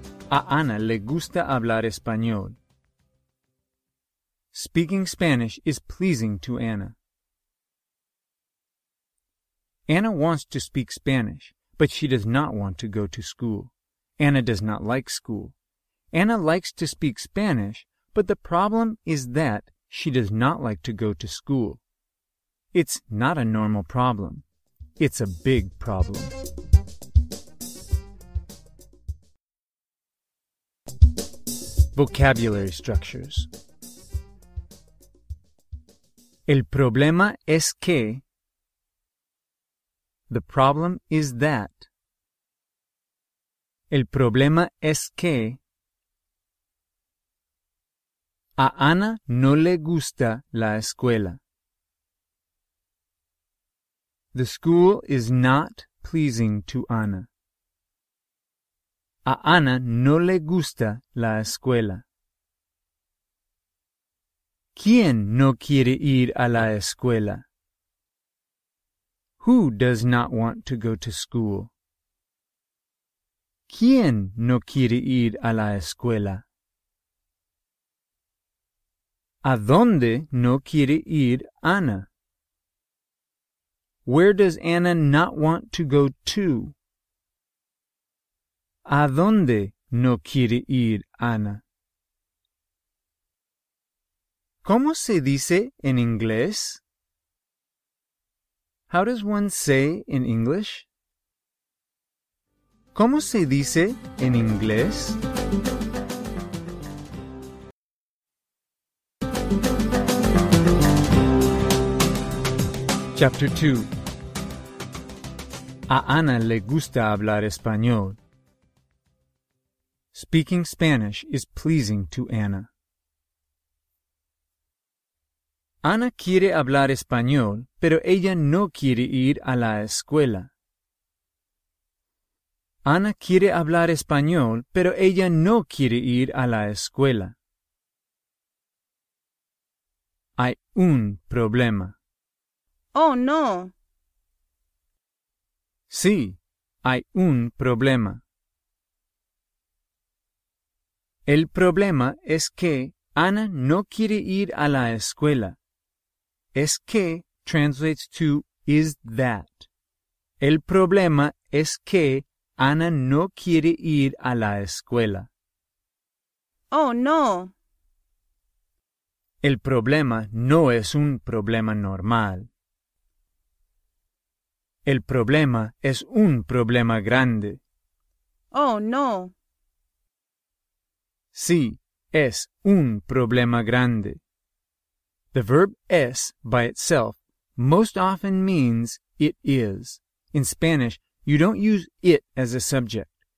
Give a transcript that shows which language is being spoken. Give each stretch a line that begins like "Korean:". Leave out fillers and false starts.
Spanish: A Ana le gusta hablar español.
English: Speaking Spanish is pleasing to Ana. Ana wants to speak Spanish, but she does not want to go to school. Ana does not like school. Ana likes to speak Spanish, but the problem is that she does not like to go to school. It's not a normal problem. It's a big problem. Vocabulary structures.
Spanish: El problema es que.
English: The problem is that.
Spanish: El problema es que. A Ana no le gusta la escuela.
English: The school is not pleasing to Ana.
Spanish: A Ana no le gusta la escuela. ¿Quién no quiere ir a la escuela?
English: Who does not want to go to school?
Spanish: ¿Quién no quiere ir a la escuela? ¿A dónde no quiere ir Ana?
English: Where does Ana not want to go to?
Spanish: ¿A dónde no quiere ir Ana? ¿Cómo se dice en inglés?
English: How does one say in English?
Spanish: ¿Cómo se dice en inglés?
English: Chapter 2.
Spanish: A Ana le gusta hablar español.
English: Speaking Spanish is pleasing to Ana.
Spanish: Ana quiere hablar español, pero ella no quiere ir a la escuela. Ana quiere hablar español, pero ella no quiere ir a la escuela. Hay un problema. Oh, no. Sí, hay un problema. El problema es que Ana no quiere ir a la escuela. Es que
English: translates to is that.
Spanish: El problema es que Ana no quiere ir a la escuela. Oh, no. El problema no es un problema normal. El problema es un problema grande. Oh, no. Sí, es un problema grande.
English: The verb es by itself most often means it is. In Spanish, you don't use it as a subject.